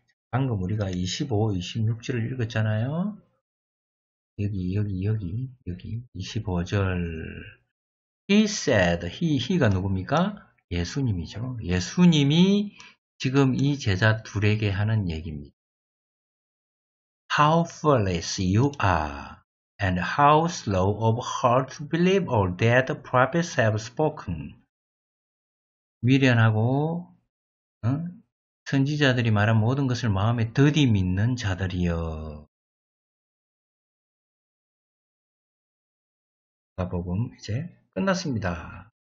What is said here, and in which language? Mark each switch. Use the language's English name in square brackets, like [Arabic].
[Korean] 방금 우리가 25, 26절을 읽었잖아요. 여기 25절. [English] He said, [Korean] he가 누굽니까? 예수님이죠. 예수님이 지금 이 제자 둘에게 하는 얘기입니다. [English] Powerless you are. And how slow of heart to believe all that the prophets have spoken. [Korean] 미련하고 선지자들이 말한 모든 것을 마음에 드디 믿는 자들이여. 마가복음 이제 끝났습니다.